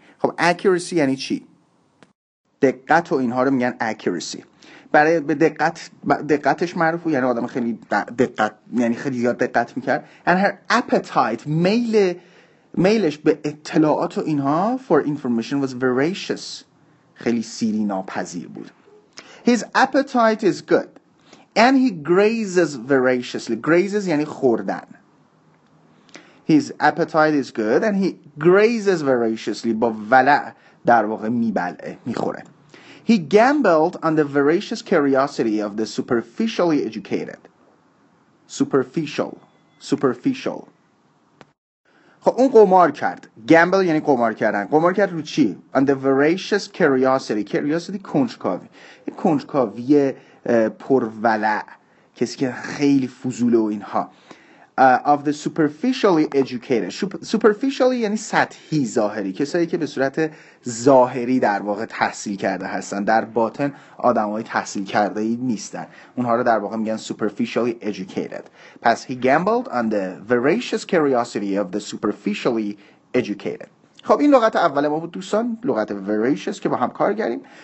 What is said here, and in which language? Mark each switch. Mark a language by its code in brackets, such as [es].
[fa] خب accuracy یعنی چی؟ دقت و اینها رو میگن accuracy. برای به دقت، دقتش معروف بود، یعنی آدم خیلی دقت، یعنی خیلی زیاد دقت میکرد. [en] And her appetite، [fa] میلش به اطلاعات و اینها، [en] for information was voracious، [fa] خیلی سیری ناپذیر بود. [en] His appetite is good and he grazes voraciously. [fa] Grazes یعنی خوردن. [en] His appetite is good and he grazes voraciously. [fa] با ولع در واقع میبلعه، میخوره. [en] He gambled on the voracious curiosity of the superficially educated. [fa] Superficial. خب اون قمار کرد. Gamble یعنی قمار کردن. قمار کرد رو چی؟ [en] On the voracious curiosity. [fa] Curiosity کنجکاوی. کنجکاوی پرولع. کسی که خیلی فضوله و اینها. [en] Of the superficially educated. Superficially [fa] یعنی سطحی، ظاهری. کسایی که به صورت ظاهری در واقع تحصیل کرده هستن. در باطن آدم های تحصیل کرده ای نیستن. اونها رو در واقع میگن [en] superficially educated. پس he gambled on the voracious curiosity of the superficially educated. [fa] خب این لغت اول ما بود دوستان، لغت voracious که با هم کار کردیم.